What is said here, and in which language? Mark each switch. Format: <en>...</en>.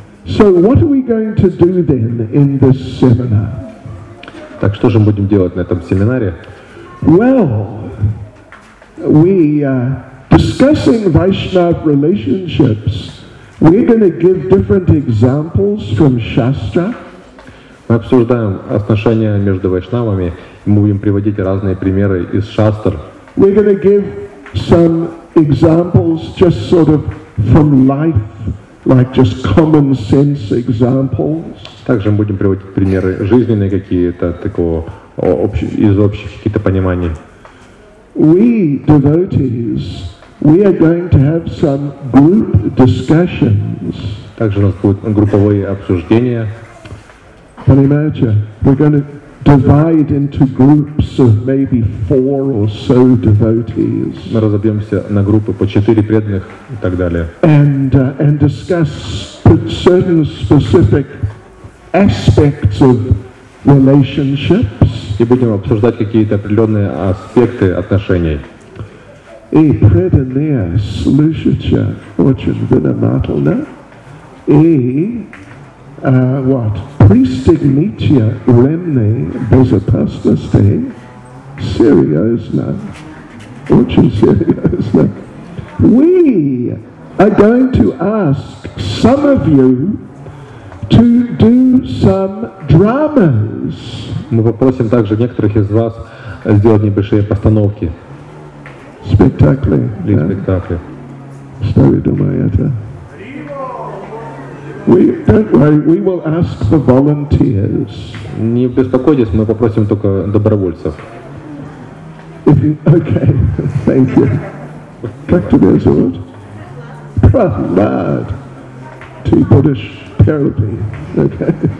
<en>So what are we going to do then in this seminar?</en> <ru>Так что же мы будем делать на этом семинаре?</ru> <en>Well, we... Discussing Vaishnav relationships, we're going to give different examples from Shastra.</en> <ru>Мы обсуждаем отношения между вайшнавами, и мы будем приводить разные примеры из шастр.</ru> <en>We're going to give some examples, just sort of from life, like just common sense examples.</en> <ru>Также мы будем приводить примеры жизненные какие-то такого из общих каких-то пониманий.</ru> <en>We devotees, we are going to have some group discussions.</en> <ru>Также у нас будут групповые обсуждения.</ru> <en>But imagine, we're going to divide into groups of maybe four or so devotees.</en> <ru>Мы разобьемся на группы по четыре преданных и так далее.</ru> <en>And discuss certain specific aspects of relationships.</en> <ru>И будем обсуждать какие-то определенные аспекты отношений. И преданные слушатели очень внимательно. И</ru> <en>what?</en> <ru>Пристегните ремни безопасности. Серьезно. Очень серьезно.</ru> <en>We are going to ask some of you to do some dramas.</en> <ru>Мы попросим также некоторых из вас сделать небольшие постановки. Спектакли. Или спектакли. Что вы думаете?</ru> <en>We don't worry, we will ask the volunteers.</en> <ru>Не беспокойтесь, мы попросим только добровольцев.</ru> <en>Okay, thank you.</en> <ru>Как тебя зовут? Прохлад. Ты будешь терапи. Okay.</ru>